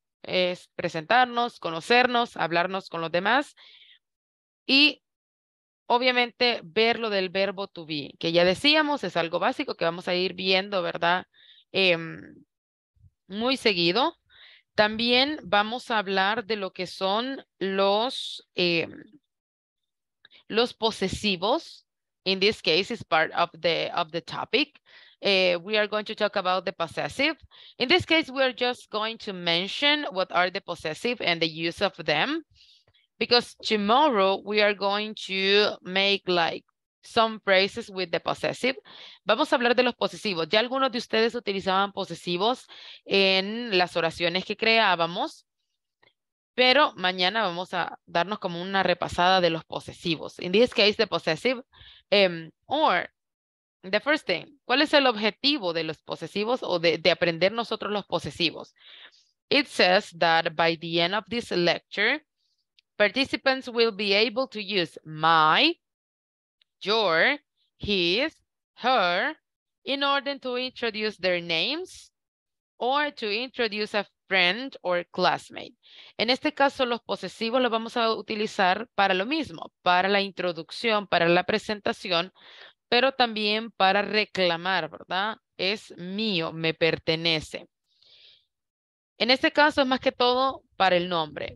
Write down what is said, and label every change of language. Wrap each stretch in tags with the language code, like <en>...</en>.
<es>Es presentarnos, conocernos, hablarnos con los demás y obviamente ver lo del verbo to be, que ya decíamos, es algo básico que vamos a ir viendo, ¿verdad? Muy seguido. También vamos a hablar de lo que son los posesivos.</es> <en>In this case, it's part of the topic. We are going to talk about the possessive. In this case, we are just going to mention what are the possessive and the use of them, because tomorrow we are going to make like some phrases with the possessive.</en> <es>Vamos a hablar de los posesivos. Ya algunos de ustedes utilizaban posesivos en las oraciones que creábamos, pero mañana vamos a darnos como una repasada de los posesivos. In this case, the possessive, the first thing, ¿cuál es el objetivo de los posesivos o de aprender nosotros los posesivos?</es> <en>It says that by the end of this lecture, participants will be able to use my, your, his, her in order to introduce their names or to introduce a friend or classmate.</en> <es>En este caso, los posesivos los vamos a utilizar para lo mismo, para la introducción, para la presentación, pero también para reclamar, ¿verdad? Es mío, me pertenece. En este caso es más que todo para el nombre.</es>